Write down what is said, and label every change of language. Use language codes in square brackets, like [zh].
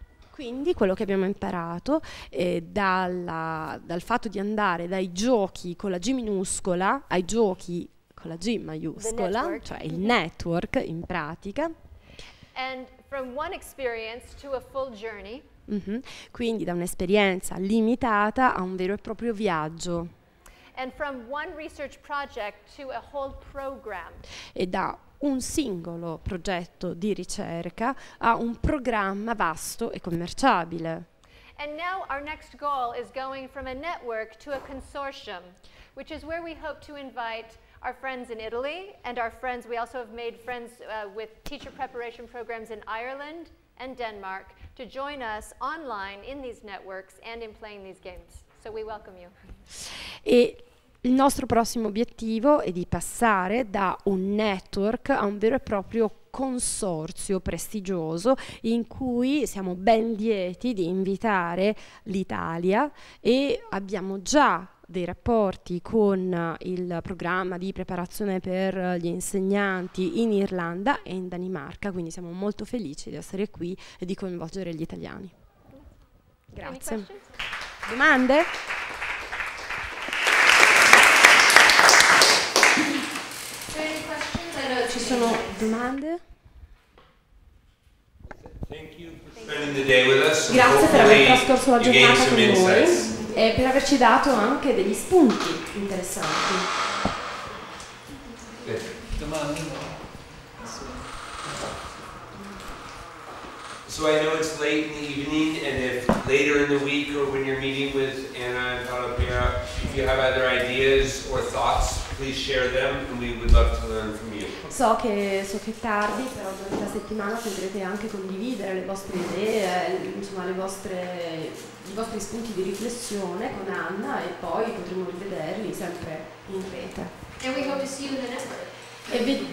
[it] Quindi quello che abbiamo imparato è dal fatto di andare dai giochi con la G minuscola ai giochi con la G maiuscola, cioè il network in pratica. [en] And from one experience to a full journey. Mm-hmm. [it] Quindi da un'esperienza limitata a un vero e proprio viaggio. [en] And from one research project to a whole program. [it] E da un singolo progetto di ricerca a un programma vasto e commerciabile. [en] And now our next goal is going from a network to a consortium, which is where we hope to invite our friends in Italy and our friends, we also have made friends with teacher preparation programs in Ireland and Denmark to join us online in these networks and in playing these games. So we welcome you. [it] E il nostro prossimo obiettivo è di passare da un network a un vero e proprio consorzio prestigioso in cui siamo ben lieti di invitare l'Italia e abbiamo già dei rapporti con il programma di preparazione per gli insegnanti in Irlanda e in Danimarca, quindi siamo molto felici di essere qui e di coinvolgere gli italiani. Grazie. Domande? Ci sono domande? [en] Thank you for spending the day with us. [it] Grazie per aver trascorso la giornata con noi e per averci dato anche degli spunti interessanti. [en] So I know it's late in the evening, and if later in the week or when you're meeting with Anna and Calabria, if you have other ideas or thoughts, please share them, and we would love to learn from you. [it] So che tardi, però durante la settimana potrete anche condividere le vostre idee, insomma i vostri spunti di riflessione con Anna, e poi potremo rivederli sempre in rete. [en] And we hope to see you in the network.